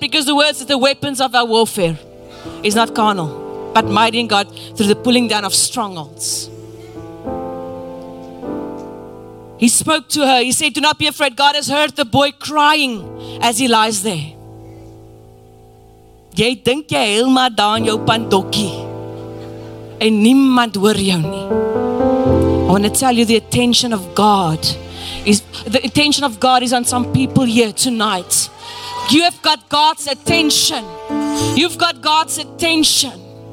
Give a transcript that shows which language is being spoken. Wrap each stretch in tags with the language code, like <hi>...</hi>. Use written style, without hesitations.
<en>Because the words that the weapons of our warfare is not carnal, but mighty in God through the pulling down of strongholds. He spoke to her. He said, do not be afraid. God has heard the boy crying as he lies there.</en> <af>Jy dink jy heeltemal daar in jou pandokkie. En niemand hoor jou nie.</af> <en>I want to tell you the attention of God is the attention of God is on some people here tonight. You have got God's attention. You've got God's attention.</en>